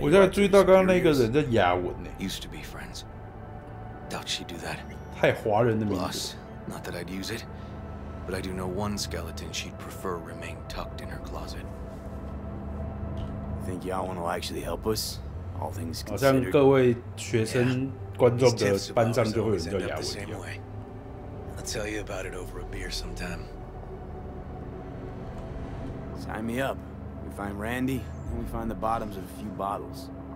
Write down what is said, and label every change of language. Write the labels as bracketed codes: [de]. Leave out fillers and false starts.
[zh] 我现在注意到刚刚那个人叫雅文呢。 [en] Used to be friends. Doubt she'd do that. [zh] 太华人的名字。 [en] Plus, not that I'd use it, but I do know one skeleton she'd prefer remain tucked in her closet. Think Yawen will actually help us? All things considered. [zh] 好像各位学生观众的班上就会有人叫雅文一样。 [en] I'll tell you about it over a beer sometime. Sign me up. We find Randy, then we find the bottoms of a few bottles.